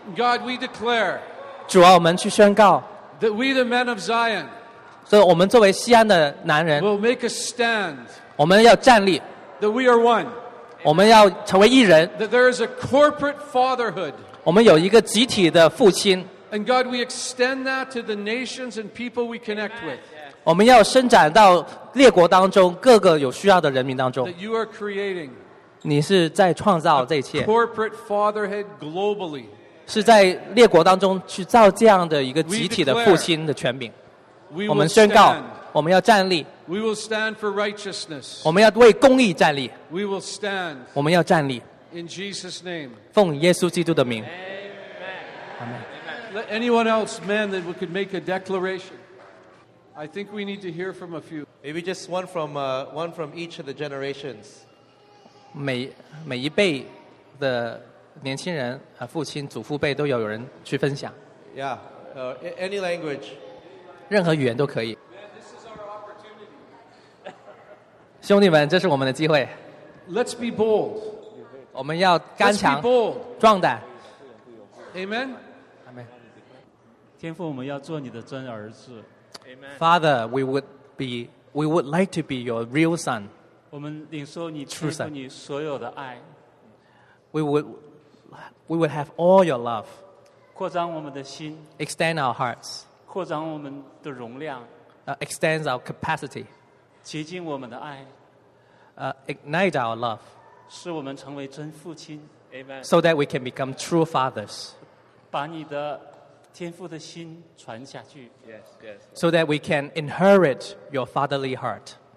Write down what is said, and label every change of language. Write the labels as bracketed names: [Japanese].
[English] God, we declare, [Chinese] 主啊我们去宣告 [English] that we the men of Zion, [Chinese] 所以我们作为西安的男人 [English] will make a stand, [Chinese] 我们要站立 [English] that we are one. [Chinese] 我们要成为一人 [English] that there is a corporate fatherhood. [Chinese] 我们有一个集体的父亲 [English] and God we extend that to the nations and people we connect with. [Chinese] 我们要伸展到列国当中各个有需要的人民当中 [English] that you are creating [Chinese] 你是在创造这一切 [English] a corporate fatherhood globally. [Chinese] 是在列国当中去造这样的一个集体的父亲的权柄 [English] we [Chinese] 我们宣告我们要站立 [English] We will stand for righteousness. [Chinese] 我们要为公义站立 [English] We will stand. [Chinese] 我们要站立 [English] In Jesus' name. [Chinese] 奉耶稣基督的名 [English] Amen. Let anyone else, men, that we could make a declaration. I think we need to hear from a few. Maybe just one from each of the generations. [Chinese] 每一辈的年轻人和父亲、祖父辈都要有人去分享 [English] Yeah. Any language. [Chinese] 任何语言都可以兄弟们，这是我们的机会。 [English] Let's be bold. [Chinese] 我们要刚强、壮胆。 [English] Amen. Amen. [Chinese] 天父，我们要做你的真儿子。 [English] Amen. Father, we would like to be your real son. [Chinese] 我们领受你天父你所有的爱。 [English] We would have all your love. [Chinese] 扩张我们的心。 [English] Extend our hearts. [Chinese] 扩张我们的容量。 [English] Extend our capacity. [Chinese] 洁净我们的爱 [English] ignite our love [Chinese] 使我们成为真父亲 [English] Amen. So that we can become true fathers [Chinese] 把你的天父的心传下去 [English] yes, yes. So that we can inherit your fatherly heart